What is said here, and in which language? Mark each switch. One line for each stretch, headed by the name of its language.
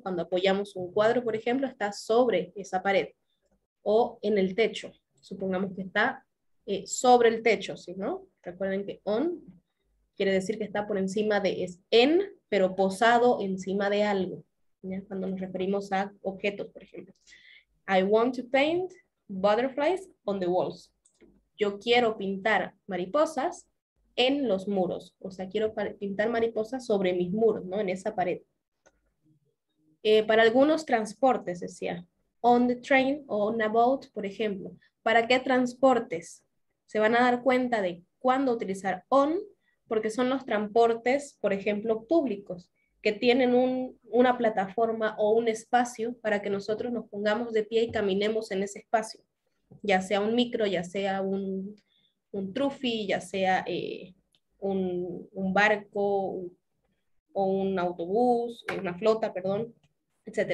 Spanish: Cuando apoyamos un cuadro, por ejemplo, está sobre esa pared o en el techo. Supongamos que está sobre el techo, ¿sí, no? Recuerden que on quiere decir que está por encima de, es en, pero posado encima de algo, ¿ya? Cuando nos referimos a objetos, por ejemplo.
English: I want to paint butterflies on the walls.
Spanish: Yo quiero pintar mariposas en los muros. O sea, quiero pintar mariposas sobre mis muros, ¿no? En esa pared. Para algunos transportes, decía.
English: On the train
Spanish: o
English: on a boat,
Spanish: por ejemplo. ¿Para qué transportes? Se van a dar cuenta de cuándo utilizar on, porque son los transportes, por ejemplo, públicos, que tienen una plataforma o un espacio para que nosotros nos pongamos de pie y caminemos en ese espacio, ya sea un micro, ya sea un trufi, ya sea un barco o un autobús, una flota, perdón, etc.